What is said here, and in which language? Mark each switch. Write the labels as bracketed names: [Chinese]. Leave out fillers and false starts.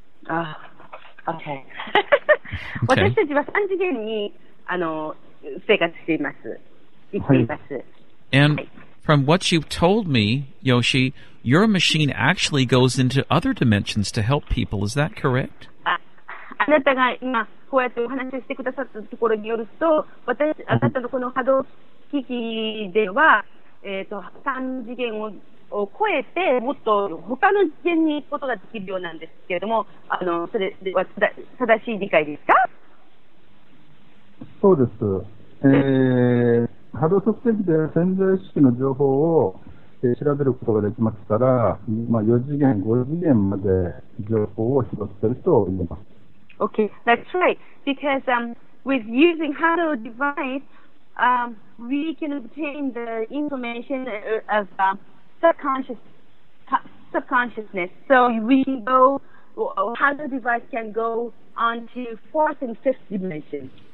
[English] And from what you've told me, Yoshi... Your machine actually goes into other dimensions to help people. Is that correct? [Japanese] あなたが今こうやってお話ししてくださったところによると、あなたのこの波動機器では、三次元を超えて、もっと他の次元に行くことができるようなんですけれども、それは正しい理解ですか？そうです。波動測定器で潜在意識の情報を調べることができますから、まあ、4次元、5次元まで情報を拾っていると言います。 [English] Okay, that's right. Because with using Hado device, we can obtain the information of subconsciousness. So we can go, Hado device can go on to fourth and fifth dimension.